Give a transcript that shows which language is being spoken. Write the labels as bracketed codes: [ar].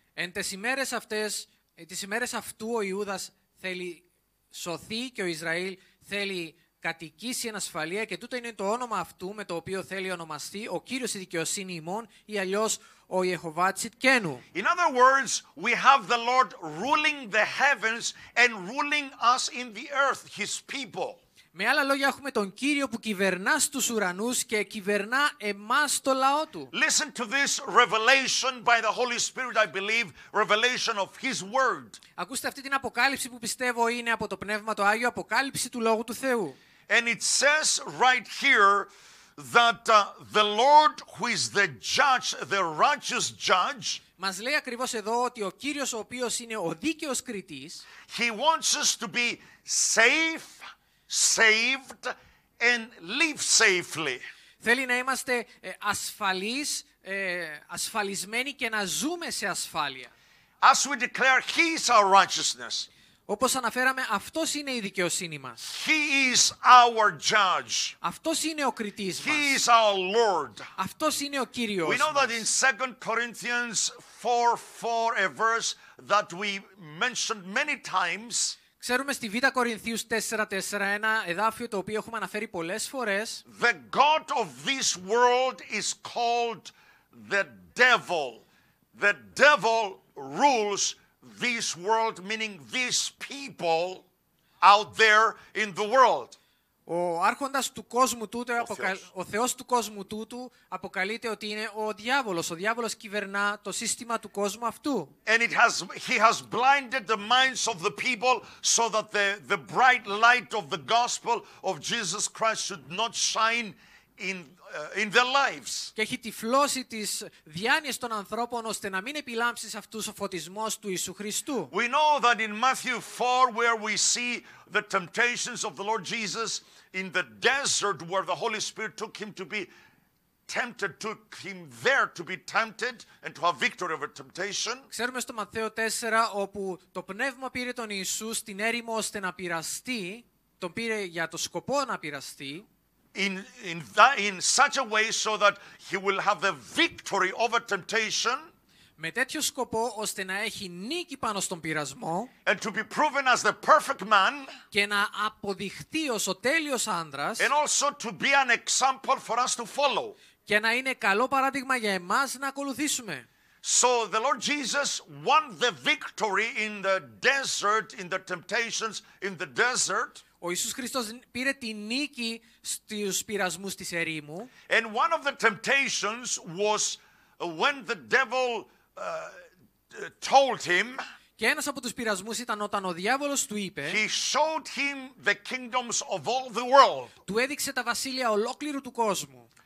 [el] Εν τις ημέρες αυτές, τις ημέρες αυτού ο Ιούδας θέλει σωθεί και ο Ισραήλ θέλει κατοικήσει εν ασφαλεία και τούτο είναι το όνομα αυτού με το οποίο θέλει ονομαστεί ο Κύριος η δικαιοσύνη ημών ή αλλιώς ο Ιεχωβά Τσιτκένου. [en] In other words, we have the Lord ruling the heavens and ruling us in the earth, his people. [el] Με άλλα λόγια έχουμε τον Κύριο που κυβερνά στους ουρανούς και κυβερνά εμάς το λαό του. [en] Listen to this revelation by the Holy Spirit, I believe, revelation of his word. [el] Ακούστε αυτή την αποκάλυψη που πιστεύω είναι από το Πνεύμα το Άγιο, αποκάλυψη του Λόγου του Θεού. [en] And it says right here that the Lord who is the judge, the righteous judge, [el] μας λέει ακριβώς εδώ ότι ο Κύριος ο οποίος είναι ο δίκαιος κριτής, [en] he wants us to be safe, saved and live safely. [el] Θέλει να είμαστε ασφαλείς, ασφαλισμένοι και να ζούμε σε ασφάλεια. [en] As we declare, he is our righteousness. [el] Όπως αναφέραμε, αυτός είναι η δικαιοσύνη μας. [en] He is our judge. [el] Αυτός είναι ο κριτής μας. [en] He is our Lord. [el] Αυτός είναι ο Κύριος. [en] We know [el] μας. [en] That in 2 Corinthians 4:4, a verse that we mentioned many times. [el] Ξέρουμε στη Β' Κορινθίους 4:4 ένα εδάφιο το οποίο έχουμε αναφέρει πολλές φορές. [en] The god of this world is called the devil. The devil rules this world, meaning these people out there in the world. [el] Ο άρχοντας του κόσμου τούτου, ο Θεός του κόσμου τούτου, αποκαλείται ότι είναι ο διάβολος. Ο διάβολος κυβερνά το σύστημα του κόσμου αυτού. [en] And he has blinded the minds of the people so that the bright light of the gospel of Jesus Christ should not shine in their lives. [el] Και έχει τυφλώσει τις διάνοιες των ανθρώπων ώστε να μην επιλάμψει σε αυτούς ο φωτισμός του Ιησού Χριστού. [en] We know that in Matthew 4 where we see the temptations of the Lord Jesus in the desert where the Holy Spirit took him to be tempted, took him there to be tempted and to have victory over temptation. [el] Ξέρουμε στο Ματθαίο 4 όπου το Πνεύμα πήρε τον Ιησού στην έρημο ώστε να πειραστεί, τον πήρε για το σκοπό να πειραστεί. [en] In such a way so that he will have the victory over temptation. [el] Με τέτοιο σκοπό ώστε να έχει νίκη πάνω στον πειρασμό. [en] And to be proven as the perfect man. [el] Και να αποδειχθεί ως ο τέλειος άνδρας. [en] And also to be an example for us to follow. [el] Και να είναι καλό παράδειγμα για εμάς να ακολουθήσουμε. [en] So the Lord Jesus won the victory in the desert, in the temptations in the desert. [el] Ο Ιησούς Χριστός πήρε τη νίκη στους πειρασμούς της ερήμου. [en] And one of the temptations was when the devil told him. [el] Και ένας από τους πειρασμούς ήταν όταν ο διάβολος του είπε. [en] He showed him the kingdoms of all the world. [el] Του έδειξε τα βασίλεια ολόκληρου του κόσμου.